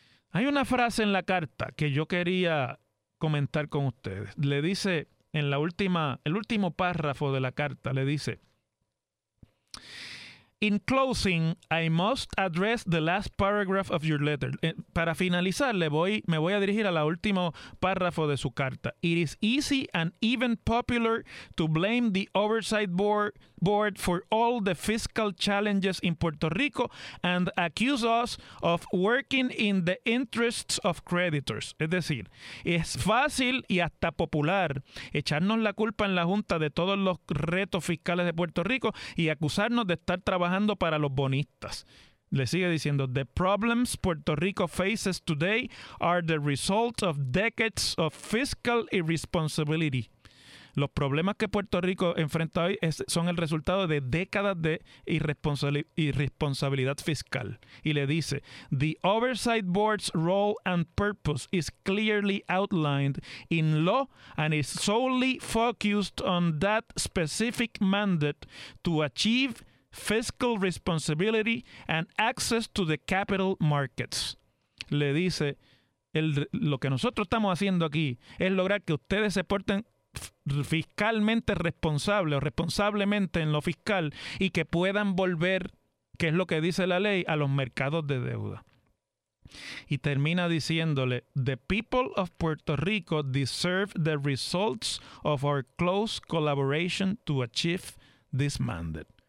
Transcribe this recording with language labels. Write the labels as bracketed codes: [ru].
[es] Hay una frase en la carta que yo quería comentar con ustedes. Le dice, en la última, el último párrafo de la carta, le dice: [en] In closing, I must address the last paragraph of your letter. [es] Para finalizar, me voy a dirigir al último párrafo de su carta. [en] It is easy and even popular to blame the Oversight Board for all the fiscal challenges in Puerto Rico and accuse us of working in the interests of creditors. [es] Es decir, es fácil y hasta popular echarnos la culpa en la Junta de todos los retos fiscales de Puerto Rico y acusarnos de estar trabajando para los bonistas. Le sigue diciendo: [en] The problems Puerto Rico faces today are the result of decades of fiscal irresponsibility. [es] Los problemas que Puerto Rico enfrenta hoy son el resultado de décadas de irresponsabilidad fiscal. Y le dice: [en] The Oversight Board's role and purpose is clearly outlined in law and is solely focused on that specific mandate to achieve fiscal responsibility and access to the capital markets. [es] Le dice: lo que nosotros estamos haciendo aquí es lograr que ustedes se porten fiscalmente responsable o responsablemente en lo fiscal y que puedan volver, que es lo que dice la ley, a los mercados de deuda. Y termina diciéndole: [en] The people of Puerto Rico deserve the results of our close collaboration to achieve this mandate.